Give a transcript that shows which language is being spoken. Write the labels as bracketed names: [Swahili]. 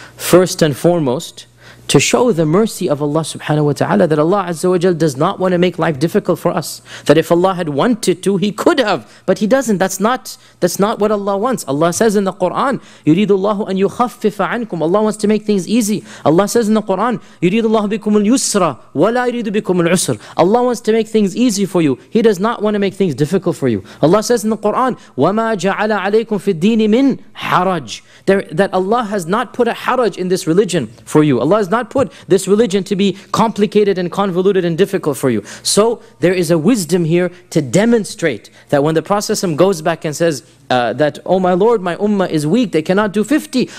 [English] First and foremost, to show the mercy of Allah subhanahu wa ta'ala, that Allah azza wa jal does not want to make life difficult for us. That if Allah had wanted to, He could have, but He doesn't. That's not what Allah wants. Allah says in the Quran, [Arabic] يُرِيدُ اللَّهُ أَن يُخَفِّفَ عَنْكُمْ. [English] Allah wants to make things easy. Allah says in the Quran, [Arabic] يُرِيدُ اللَّهُ بِكُمُ الْيُسْرَ وَلَا يُرِيدُ بِكُمُ الْعُسْرَ. [English] Allah wants to make things easy for you. He does not want to make things difficult for you. Allah says in the Quran, [Arabic] وَمَا جَعَلَ عَلَيْكُمْ فِي الدِّينِ مِنْ حَرَجٍ. [English] That Allah has not put a haraj in this religion for you. Allah has not put this religion to be complicated and convoluted and difficult for you. So there is a wisdom here to demonstrate that when the Prophet goes back and says that, oh my Lord, my ummah is weak, they cannot do 50.